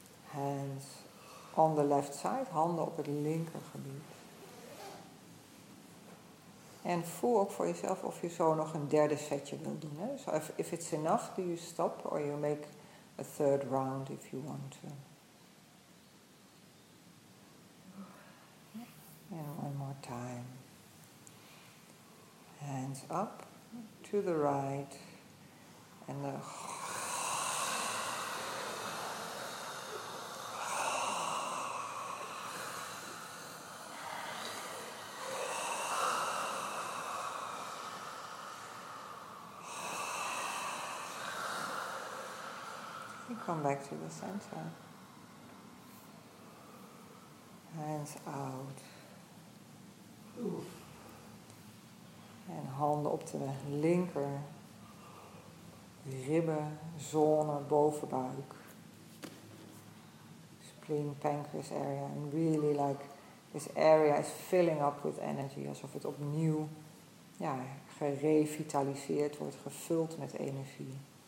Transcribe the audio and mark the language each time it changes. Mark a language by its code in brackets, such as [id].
[en] Hands on the left side, [nl] handen op het linkergebied. En voel ook voor jezelf of je zo nog een derde setje wilt doen. Hè? [en] So if it's enough, do you stop or you make a third round if you want to. And one more time. Hands up to the right. And the... Come back to the center. Hands out. Oof. [nl] En handen op de linker ribben, zone, bovenbuik. [en] Spleen, pancreas area. And really like this area is filling up with energy. [nl] Alsof het opnieuw gerevitaliseerd wordt, gevuld met energie.